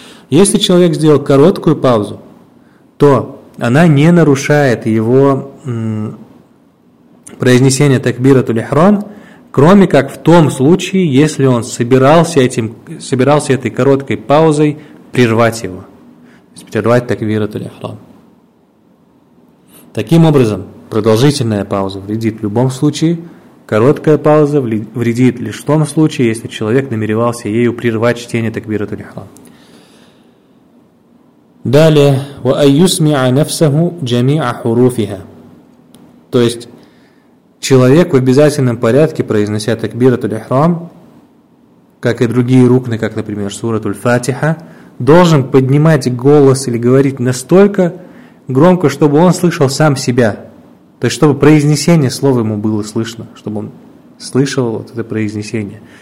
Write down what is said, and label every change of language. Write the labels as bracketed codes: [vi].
[ru] Если человек сделал короткую паузу, то она не нарушает его произнесение такбиратуль ихрам, кроме как в том случае, если он собирался этой короткой паузой прервать его, то есть прервать такбиратуль ихрам. Таким образом, продолжительная пауза вредит в любом случае, короткая пауза вредит лишь в том случае, если человек намеревался ею прервать чтение такбиратуль ихрам. Далее, [ar] وَأَيُّسْمِعَ نَفْسَهُ جَمِيعَ حُرُوفِهَا. [ru] То есть, человек в обязательном порядке, произнося такбиратуль ихрам, как и другие рукны, как, например, суратуль фатиха, должен поднимать голос или говорить настолько громко, чтобы он слышал сам себя. То есть, чтобы произнесение слова ему было слышно, чтобы он слышал вот это произнесение.